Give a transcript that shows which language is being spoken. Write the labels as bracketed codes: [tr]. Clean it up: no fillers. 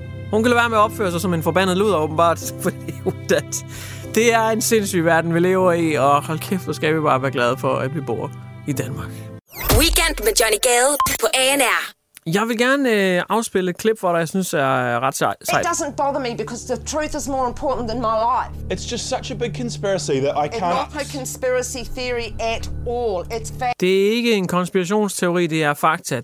[da] Hun kan lade være med at opføre sig som en forbandet luder, åbenbart, fordi hun det er en sindssyg verden, vi lever i, og hold kæft, hvor skal vi bare være glade for, at vi bor i Danmark. Weekend med Johnny Gale på ANR. Jeg vil gerne afspille et klip, hvor der, jeg synes er ret sejt. [en] It doesn't bother me because the truth is more important than my life. It's just such a big conspiracy that I can't... It's not a conspiracy theory at all. It's fact. [da] Det er ikke en konspirationsteori, det er fakta.